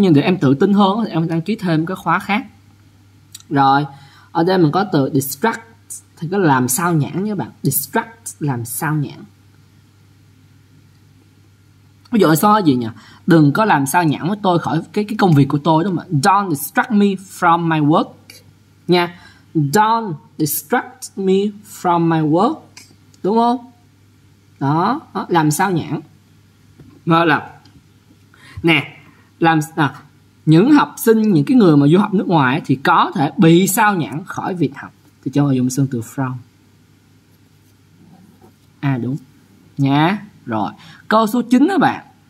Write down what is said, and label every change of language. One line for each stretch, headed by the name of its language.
Vietnamese: Nhưng để em tự tin hơn thì em đăng ký thêm cái khóa khác. Rồi, ở đây mình có từ distract thì có làm sao nhãn nha bạn. Distract làm sao nhãn. Ví dụ là sao gì nhỉ? Đừng có làm sao nhãng với tôi khỏi cái công việc của tôi đó mà.
English: Don't distract me from my work. Nha. Don't distract me from my work.
Vietnamese: Đúng không? Đó, đó. Làm sao nhãng. Nó là nè, làm à, những học sinh, những cái người mà du học nước ngoài thì có thể bị sao nhãng khỏi việc học. Thì cho mình dùng xương từ from. À đúng. Nha. Rồi, câu số 9 đó bạn.